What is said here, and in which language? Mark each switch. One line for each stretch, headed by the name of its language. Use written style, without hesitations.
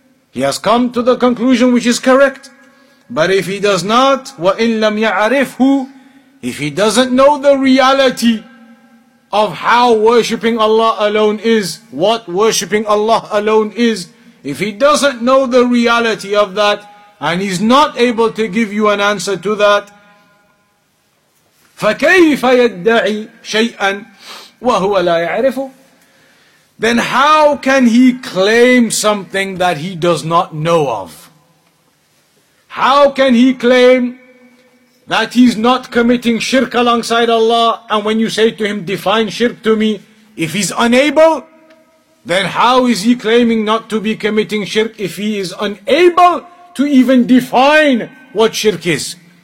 English: He has come to the conclusion which is correct. But if he does not,
Arabic: وَإِن لَمْ يَعْرِفْهُ,
English: if he doesn't know the reality of how worshipping Allah alone is, what worshipping Allah alone is, if he doesn't know the reality of that, and he's not able to give you an answer to that,
Arabic: فكيف يدعي شيئا وهو لا يعرفه.
English: Then how can he claim something that he does not know of? How can he claim that he's not committing shirk alongside Allah? And when you say to him, define shirk to me, if he's unable, then how is he claiming not to be committing shirk if he is unable to even define what shirk is?